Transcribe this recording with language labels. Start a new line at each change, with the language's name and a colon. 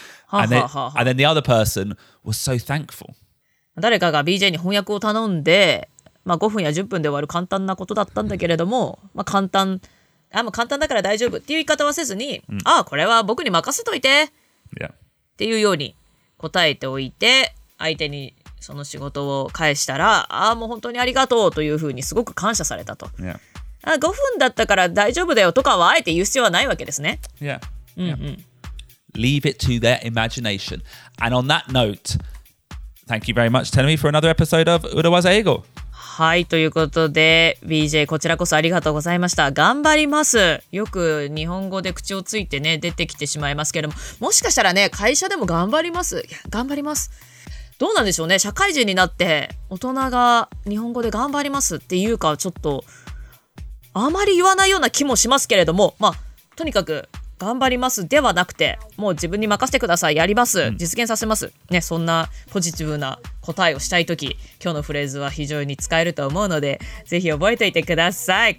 English: and then the other person was so thankful.
Japanese: 誰かが BJ に翻訳を頼んで、まあ、5分や10分で終わる簡単なことだったんだけれども、まあ簡単、あ、もう簡単だから大丈夫っていう言い方はせずに、あ、これは僕に任せといて。
English: Yeah.
Japanese: っていうように答えておいて、相手にその仕事を返したら、ああもう本当にありがとうというふうにすごく感謝されたと。
English: Yeah.
Japanese: あ、5分だったから大丈夫だよとかはあえて言う必要はないわけですね。
English: Yeah.
Japanese: うんうん。
English: Leave it to their imagination. And on that note, thank you very much, Tenumi, for another episode of Urawaza Eigo.
Japanese: はい、ということで、BJ、こちらこそありがとうございました。頑張ります。よく日本語で口をついてね、出てきてしまいますけれども、もしかしたらね、会社でも頑張ります。いや、頑張ります。どうなんでしょうね、社会人になって、大人が日本語で頑張りますっていうか、ちょっと、あまり言わないような気もしますけれども、まあ、とにかく、頑張りますではなくて、もう自分に任せてください、やります、実現させます、ね、そんなポジティブな答えをしたいとき、今日のフレーズは非常に使えると思うので、ぜひ覚えておいてください。